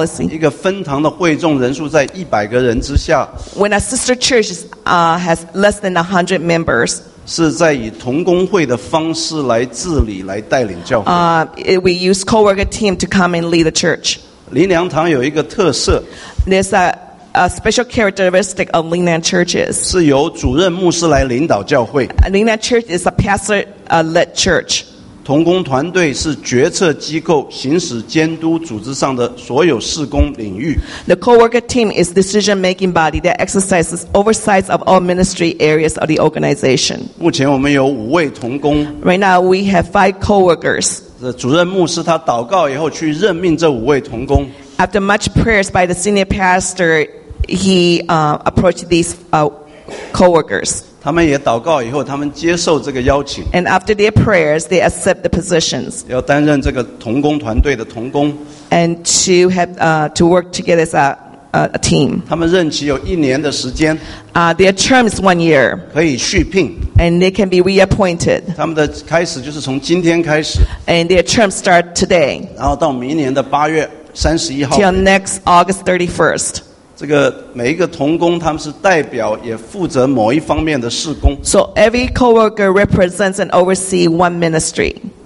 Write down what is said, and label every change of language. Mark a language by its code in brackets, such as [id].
[zh] 一个分堂的会众人数在100个人之下 [en] When a sister church has less than 100 members [zh] 是在以同工会的方式来治理来带领教会 [en] We use co-worker team to come and lead the church [zh] 灵粮堂有一个特色 [en] There's a special characteristic of Linang churches [zh] 是由主任牧师来领导教会 [en] Linang church is a pastor-led church [zh] 同工团队是决策机构行使监督组织上的所有事工领域 [en] The co-worker team is decision making body that exercises oversight of all ministry areas of the organization [zh] 目前我们有5位同工 [en] Right now we have 5 co-workers [zh] 主任牧师他祷告以后去任命这5位同工 [en] After much prayers by the senior pastor he approached these co-workers [zh] 他们也祷告以后他们接受这个邀请 [en] And after their prayers, they accept the positions [zh] 要担任这个同工团队的同工 [en] And to have, to work together as a team [zh] 他们任期有一年的时间 [en] Their term is 1 year [zh] 可以续聘 [en] And they can be reappointed [zh] 他们的开始就是从今天开始 [en] And their term start today [zh] 然后到明年的8月31号 [en] Till next August 31st [zh] 这个每一个同工他们是代表也负责某一方面的事工 [en] So every co-worker represents and oversees one ministry